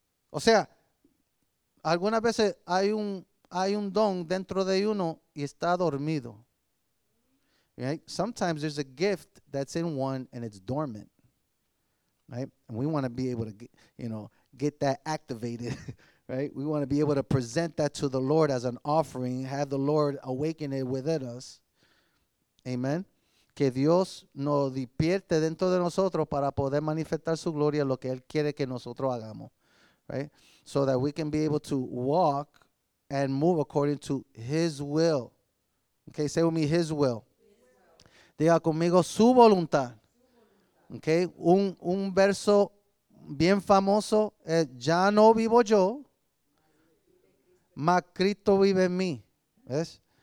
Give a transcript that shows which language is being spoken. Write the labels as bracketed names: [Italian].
[Spanish] O sea, algunas veces hay un don dentro de uno y está dormido. [English] Right? Sometimes there's a gift that's in one and it's dormant. Right? And we want to be able to get that activated, right? We want to be able to present that to the Lord as an offering, have the Lord awaken it within us. Amen. [Spanish] Que Dios nos despierte dentro de nosotros para poder manifestar su gloria, lo que Él quiere que nosotros hagamos. [English] Right? So that we can be able to walk and move according to his will. Okay, say with me, his will. [Spanish] Diga conmigo, su voluntad. Okay, un verso bien famoso, ya no vivo yo, mas Cristo vive en mí. Yes?